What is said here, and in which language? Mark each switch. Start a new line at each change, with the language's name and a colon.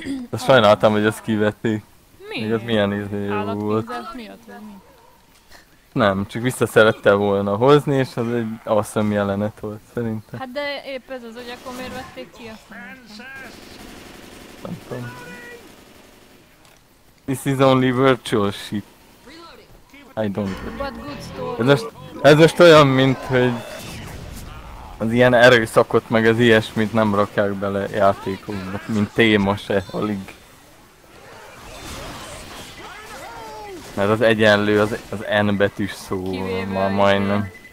Hungarian: De sajnáltam, hogy azt kivették. Miért? Az milyen izé volt. Állatkínzás miatt? Nem, csak vissza szerette volna hozni, és az egy awesome jelenet volt, szerintem. Hát de épp ez az, hogy akkor miért vették ki a szemeket? Nem tudom.
English: This is only virtual shit. I don't know. But good story.
Hungarian: Ez most olyan, mint hogy az ilyen erőszakot meg az ilyesmit nem rakják bele játékokba, mint téma se, alig. Mert az egyenlő az N betűs szó már majdnem.